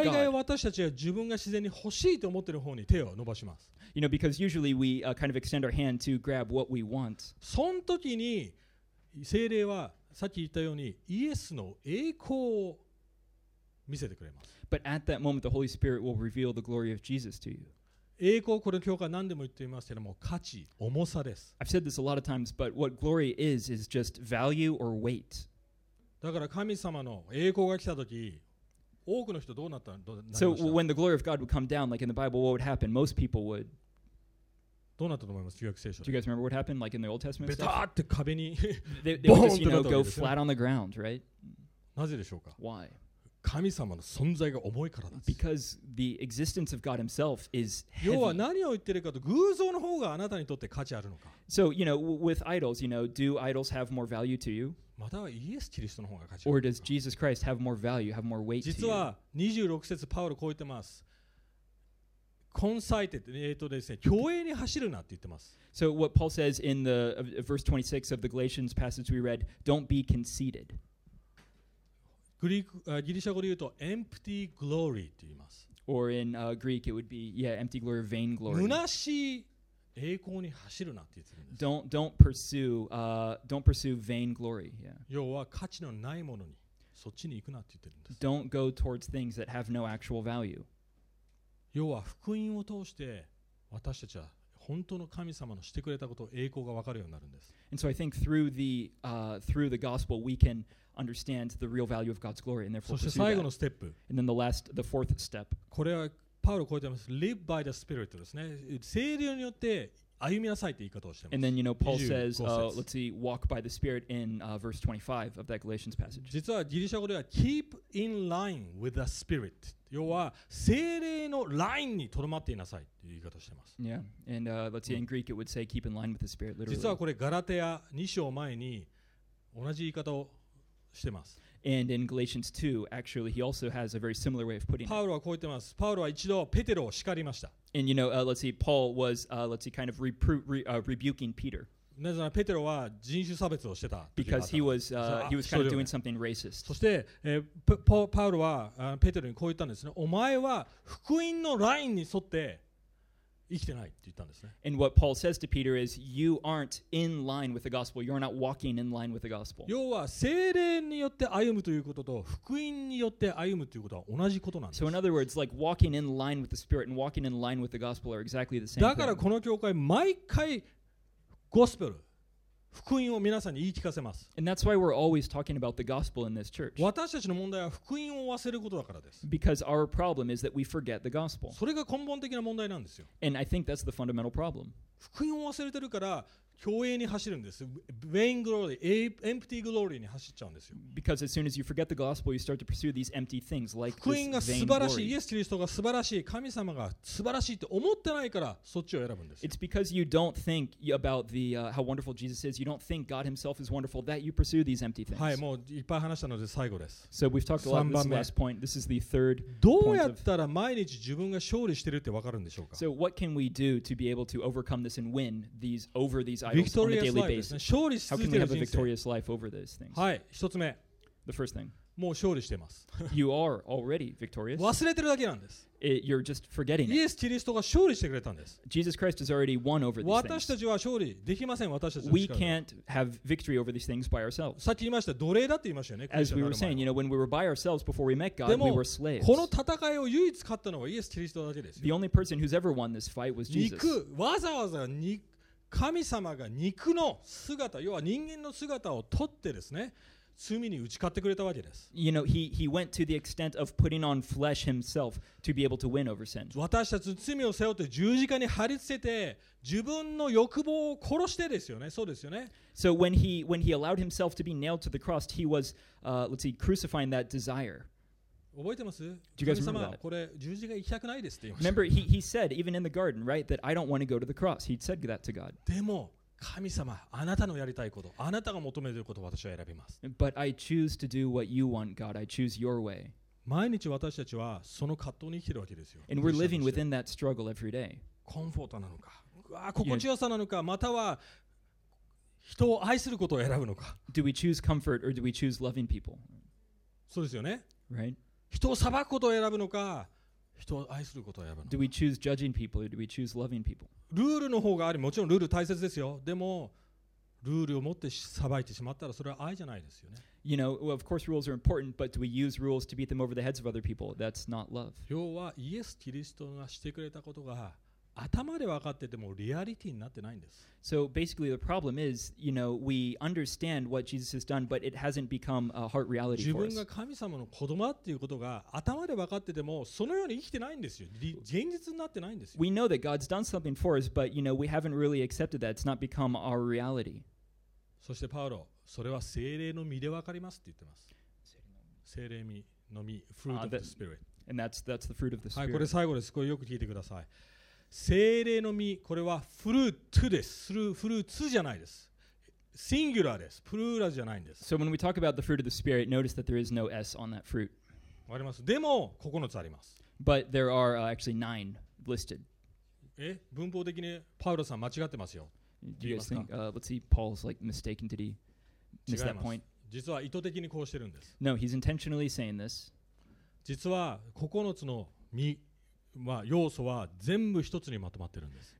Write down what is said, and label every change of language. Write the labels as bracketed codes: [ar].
[ja] 大概私たちは自分が自然に欲しいと思ってる方に手を伸ばします。 [en] You know, because usually we kind of extend our hand to grab what we want. [ja] その時に聖霊はさっき言ったようにイエスの栄光を見せてくれます。 [en] But at that moment, the Holy Spirit will reveal the glory of Jesus to you. [ja] 栄光、これ教会何でも言っていますけども、価値、重さです。 [en] I've said this a lot of times, but what glory is just value or weight. [ja] だから神様の栄光が来たとき、多くの人どうなったの [en] ？So when the glory of God would come down, like in the Bible, what would happen? Most people would. [ja] どうなったと思います？旧約聖書。 [en] Do you guys remember what happened, like in the Old Testament? [ja] ベタって壁に、 [en] they would just, you know, go flat on the ground, right? [ja] なぜでしょうか？ [en] Why? [ja] 神様の存在が重いからです。 [en] Because the existence of God Himself is heavy. [ja] 要は何を言ってるかと、偶像の方があなたにとって価値あるのか。 [en] So, you know, with idols, you know, do idols have more value to you? [ja] またはイエス・キリストの方が価値あるの [en] か。Or does Jesus Christ have more value, have more weight to you? [ja] 実は26節パウロこう言ってます。コンサイテッドですね、教会に走るなって言ってます。 [en] So what Paul says in the verse 26 of the Galatians passage we read, don't be conceited. [ja] ギリシャ語で言うと [en] empty glory [ja] って言います。 [en] Or in Greek it would be, yeah, empty glory, vain glory. [ja] 虚しい栄光に走るなって言ってるんです。 [en] Don't pursue vain glory. Yeah. [ja] 要は価値のないものにそっちに行くなって言ってるんです。 [en] Don't go towards things that have no actual value. [ja] 要は福音を通して私たちは本当の神様のしてくれたことを栄光が分かるようになるんです。 [en] And so I think through the gospel we can understand the real value of God's glory and therefore pursue that. [ja] そして最後のステップ。 [en] And then the fourth step. [ja] これはパウロ超えてます。 [en] Live by the Spirit [ja] ですね。聖霊によって歩みなさいって言い方をしてます。 [en] And then you know Paul says, let's see, walk by the Spirit in verse 25 of that Galatians passage. [ja] 実はギリシャ語では [en] keep in line with the Spirit。 [ja] 要は聖霊のラインにとどまっていなさいという言い方をしています。 [en] Yeah, and let's see, in Greek it would say keep in line with the Spirit, literally. [ja] 実はこれガラテア2章前に同じ言い方をしています。 [en] And in Galatians 2, actually, he also has a very similar way of putting it. [ja] パウロはこう言ってます。パウロは一度ペテロを叱りました。 [en] And you know, let's see, Paul was, let's see, kind of rebuking Peter. [ja] なぜならペテロは人種差別をしてた。 [en] Because he was kind of doing something racist. [ja] そして、パウロはペテロにこう言ったんですね。お前は福音のラインに沿って生きてないって言ったんですね。 [en] And what Paul says to Peter is, you aren't in line with the gospel. You're not walking in line with the gospel. [ja] 要は聖霊によって歩むということと福音によって歩むということは同じことなんです。 [en] So in other words, like walking in line with the Spirit and walking in line with the gospel are exactly the same. [ja] だからこの教会毎回ゴスペル、福音を皆さんに言い聞かせます。 [en] And that's why we're always talking about the gospel in this church. [ja] 私たちの問題は福音を忘れることだからです。 [en] Because our problem is that we forget the gospel. [ja] それが根本的な問題なんですよ。 [en] And I think that's the fundamental problem. [ja] 福音を忘れてるから教会に走るんです。 [en] Vain glory, empty glory [ja] に走っちゃうんですよ。 [en] Because as soon as you forget the gospel, you start to pursue these empty things like this vain glory. [ja] 福音が素晴らしい、イエス・キリストが素晴らしい、神様が素晴らしいって思ってないからそっちを選ぶんです。 [en] It's because you don't think about the how wonderful Jesus is. You don't think God Himself is wonderful that you pursue these empty things. [ja] はい、もういっぱい話したので最後です。 [en] So we've talked a lot. This is the last point. This is the third. [ja] どうやったら毎日自分が勝利してるってわかるんでしょうか。 [en] So what can we do to be able to overcome this and win these over these Victorious life. Basis, [ja] 勝利し続ける人生。 [en] How can we have a victorious life over these things? [ja] はい、一つ目。 [en] The first thing. [ja] もう勝利してます。 [en] You are already victorious. [ja] 忘れてるだけなんです。 [en] You're just forgetting it. [ja] イエス・キリストが勝利してくれたんです。 [en] Jesus Christ has already won over these things. [ja] 私たちは勝利できません。私たちの力。 [en] We can't have victory over these things by ourselves. [ja] さっき言いました、奴隷だって言いましたよね。 [en] As we were saying, you know, when we were by ourselves before we met God, we were slaves. [ja] この戦いを唯一勝ったのはイエス・キリストだけです。 [en] The only person who's ever won this fight was Jesus. [ja] 肉、わざわざ肉。神様が肉の姿、要は人間の姿を取ってですね、罪に打ち勝ってくれたわけです。 [en] You know, he went to the extent of putting on flesh himself to be able to win over sin. [ja] 私たちの罪を背負って十字架に貼り付けて、自分の欲望を殺してですよね。そうですよね。 [en] So when he allowed himself to be nailed to the cross, he was crucifying that desire. [ja] 覚えてます？ [en] Do you guys remember that? [ja] これ十字架行きたくないですって言いました。 [en] Remember, he said even in the garden, right, that I don't want to go to the cross. He said that to God. [ja] でも神様、あなたのやりたいこと、あなたが求めていることを私は選びます。 [en] But I choose to do what you want, God. I choose your way. [ja] 毎日私たちはその葛藤に生きているわけですよ。 [en] And we're living within that struggle every day. [ja] コンフォートなのか、心地よさなのか、または人を愛することを選ぶのか。 [en] Do we choose comfort or do we choose loving people? [ja] そうですよね。 [en] Right. [ja] 人を裁くことを選ぶのか、人を愛することを選ぶのか。 [en] Do we choose judging people or do we choose loving people? [ja] ルールの方があり、もちろんルール大切ですよ。でも、ルールを持って裁いてしまったら、それは愛じゃないですよね。 [en] You know, well, of course rules are important, but do we use rules to beat them over the heads of other people? That's not love. [ja] 要は、イエス・キリストがしてくれたことが、頭で分かっててもリアリティになってないんです。 [en] So basically the problem is, you know, we understand what Jesus has done, but it hasn't become a heart reality for us. [ja] 自分が神様の子供っていうことが頭で分かっててもそのように生きてないんですよ。現実になってないんですよ。 [en] We know that God's done something for us, but you know, we haven't really accepted that. It's not become our reality. [ja] そしてパウロ、それは聖霊の実で分かりますって言ってます。聖霊の実、 [en] fruit of the spirit. And that's the fruit of the spirit. [ja] はい、これ最後です。これよく聞いてください。聖霊の実、これはフルーツです。フルーツじゃないです。シングラーです。プルーラじゃないんです。 [en] So when we talk about the fruit of the Spirit, notice that there is no S on that fruit. [ja] わかります。でも、9つあります。 [en] But there are actually 9 listed. [ja] え、文法的にパウロさん間違ってますよ。 [en] Do you guys think, let's see, Paul's like mistaken, did he miss that point? [ja] 実は意図的にこうしてるんです。 [en] No, he's intentionally saying this. [ja] 実は9つの実。まあ、要素は全部一つにまとまってるんです。